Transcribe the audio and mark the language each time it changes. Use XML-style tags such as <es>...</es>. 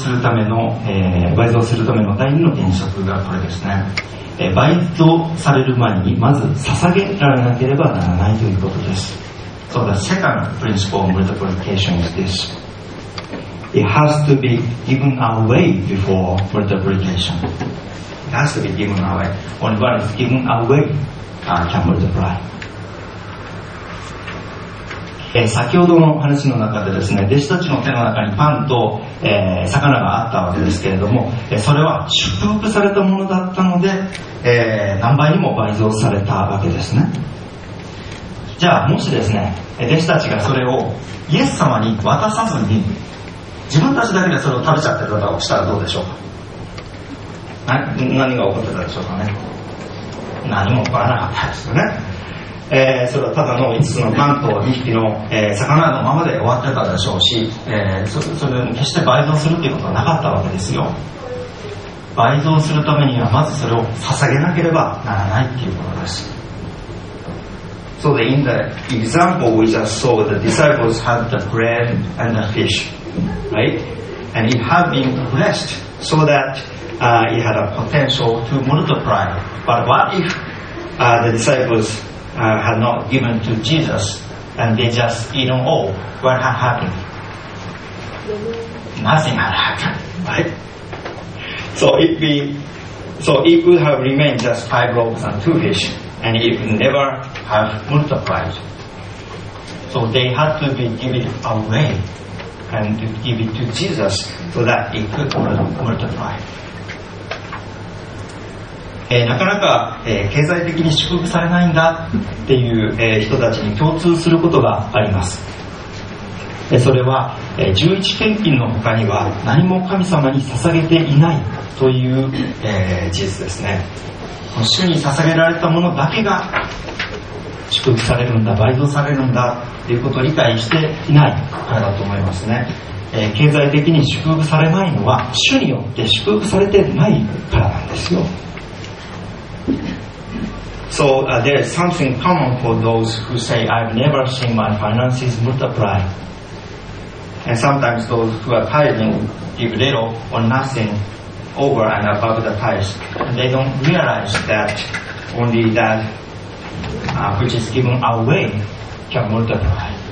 <ja>倍増するための第二の原則がこれですね。倍増される前にまず捧げられなければならないということです。</ja> <en>So the second principle of multiplication is this. It has to be given away before multiplication. It has to be given away. Only what is given away can multiply.</en> <ja>先ほどの話の中でですね、弟子たちの手の中にパンと魚があったわけですけれども、それは祝福されたものだったので、何倍にも倍増されたわけですね。じゃあもしですね、弟子たちがそれをイエス様に渡さずに自分たちだけでそれを食べちゃってたとしたらどうでしょうか。何が起こってたでしょうかね。何も起こらなかったですよね。それはただの5つのパンと2匹の、魚のままで終わってたでしょうし、それも決して倍増するということはなかったわけですよ。倍増するためにはまずそれを捧げなければならないということです。</ja> <en>So the, in the example we just saw, the disciples had the bread and the fish, right? And it had been blessed so that it had a potential to multiply. But what if the disciplesHad not given to Jesus and they just eat on all, what had happened? Nothing had happened, right? So it would have remained just 5 loaves and 2 fish, and it would never have multiplied. So they had to be given away and to give it to Jesus so that it could multiply.</en> <ja>なかなか、経済的に祝福されないんだっていう、人たちに共通することがあります。それは、11献金の他には何も神様に捧げていないという、事実ですね。主に捧げられたものだけが祝福されるんだ、倍増されるんだということを理解していないからだと思いますね。経済的に祝福されないのは主によって祝福されてないからなんですよ。</ja> <en>So there is something common for those who say, I've never seen my finances multiply. And sometimes those who are tithing give little or nothing over and above the tithes. And they don't realize that only that which is given away can multiply.</en>